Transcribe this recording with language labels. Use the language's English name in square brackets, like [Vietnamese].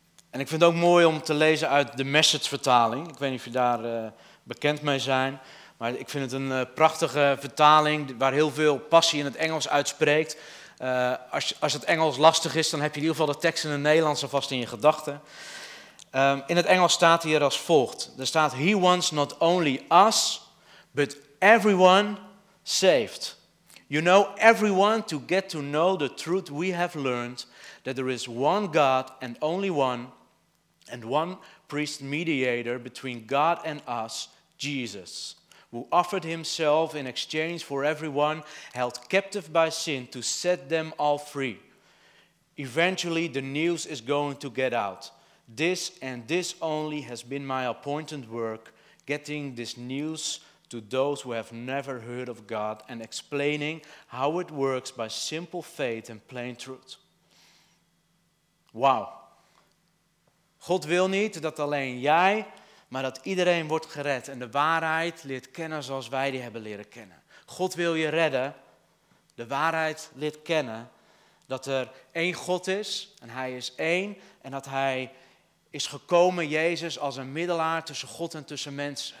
[Dutch] En ik vind het ook mooi om te lezen uit de Message-vertaling. Ik weet niet of je daar bekend mee zijn. Maar ik vind het een prachtige vertaling waar heel veel passie in het Engels uitspreekt. Als het Engels lastig is, dan heb je in ieder geval de tekst in het Nederlands alvast in je gedachten. In het Engels staat hier als volgt. Er staat, [English] he wants not only us, but everyone saved. You know everyone to get to know the truth we have learned, that there is one God and only one, and one priest mediator between God and us, Jesus, who offered himself in exchange for everyone held captive by sin to set them all free. Eventually, the news is going to get out. This and this only has been my appointed work, getting this news to those who have never heard of God and explaining how it works by simple faith and plain truth. [Dutch] Wauw. God wil niet dat alleen jij, maar dat iedereen wordt gered en de waarheid leert kennen zoals wij die hebben leren kennen. God wil je redden, de waarheid leert kennen, dat er één God is en hij is één en dat hij is gekomen, Jezus, als een middelaar tussen God en tussen mens.